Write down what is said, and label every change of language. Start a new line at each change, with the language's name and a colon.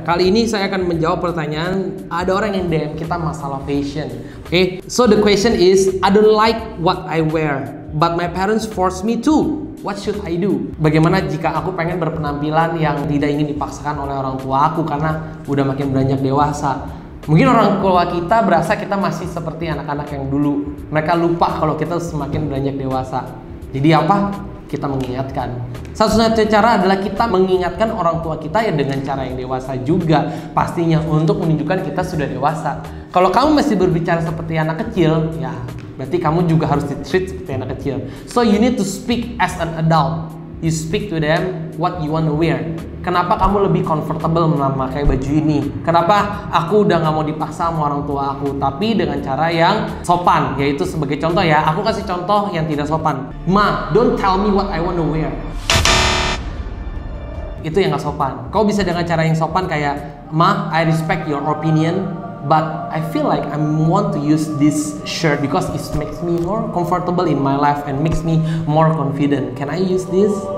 Indonesian: Kali ini saya akan menjawab pertanyaan, ada orang yang DM kita masalah fashion.
English: Okay? So the question is, I don't like what I wear, but my parents force me to. What should I do?
Indonesian: Bagaimana jika aku pengen berpenampilan yang tidak ingin dipaksakan oleh orang tua aku karena udah makin beranjak dewasa? Mungkin orang tua kita berasa kita masih seperti anak-anak yang dulu. Mereka lupa kalau kita semakin beranjak dewasa. Jadi apa? Kita mengingatkan. Satu-satunya cara adalah kita mengingatkan orang tua kita ya dengan cara yang dewasa juga. Pastinya untuk menunjukkan kita sudah dewasa. Kalau kamu masih berbicara seperti anak kecil, ya berarti kamu juga harus di-treat seperti anak kecil.
English: So you need to speak as an adult. You speak to them what you want to wear.
Indonesian: Kenapa kamu lebih comfortable memakai baju ini? Kenapa aku udah gak mau dipaksa sama orang tua aku? Tapi dengan cara yang sopan, yaitu sebagai contoh ya. Aku kasih contoh yang tidak sopan.
English: Ma, don't tell me what I want to wear.
Indonesian: Itu yang gak sopan. Kau bisa dengan cara yang sopan kayak,
English: Ma, I respect your opinion, but I feel like I want to use this shirt because it makes me more comfortable in my life and makes me more confident. Can I use this?